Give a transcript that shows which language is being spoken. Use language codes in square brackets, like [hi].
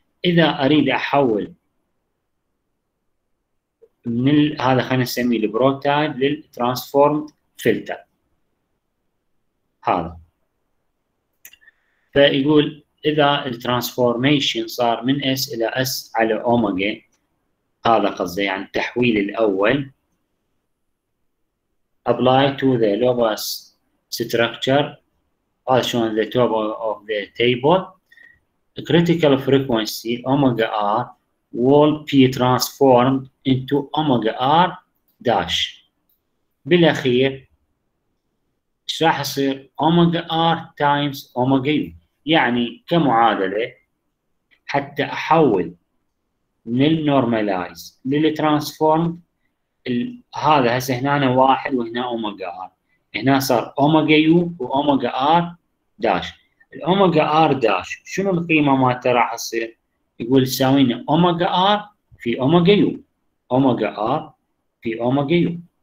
[ar] إذا أريد أحول من هذا خلينا نسميه البرو تايب للترانسفورمد فلتر، هذا فيقول إذا الترانسفورميشن صار من S إلى S على أوميجا، هذا قصدي يعني التحويل الأول، [en] apply to the lowest structure as shown at the top of the table. Critical frequency omega r will be transformed into omega r dash. [ar] بالأخير راح يصير [en] omega r times omega u. [ar] يعني كمعادلة حتى أحول من النورماليز للترانسفورم، هذا هسه هنا واحد وهنا أوميجا آر، هنا صار أوميجا يو وأوميجا آر داش. الأوميجا آر داش شنو القيمة مالته راح تصير؟ يقول تساوينا أوميجا آر في أوميجا يو، أوميجا آر في أوميجا يو.